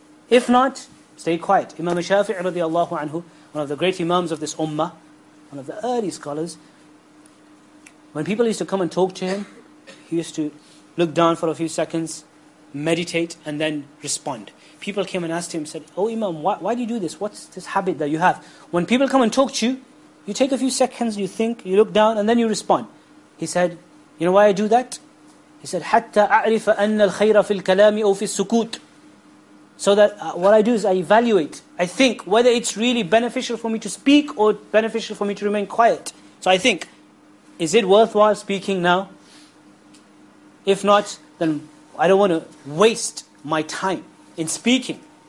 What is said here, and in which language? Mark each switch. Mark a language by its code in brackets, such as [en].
[en] If not, stay quiet. Imam Shafi'i radiallahu anhu, one of the great imams of this ummah, one of the early scholars, when people used to come and talk to him, he used to look down for a few seconds, meditate, and then respond. People came and asked him, said, oh Imam, why do you do this? What's this habit that you have? When people come and talk to you, you take a few seconds, you think, you look down, and then you respond. He said, you know why I do that? He said, [ar] حَتَّى أَعْرِفَ أَنَّ الْخَيْرَ فِي الْكَلَامِ أَوْ فِي السُّكُوتِ. [en] So that what I do is I evaluate. I think whether it's really beneficial for me to speak or beneficial for me to remain quiet. So I think, is it worthwhile speaking now? If not, then I don't want to waste my time in speaking.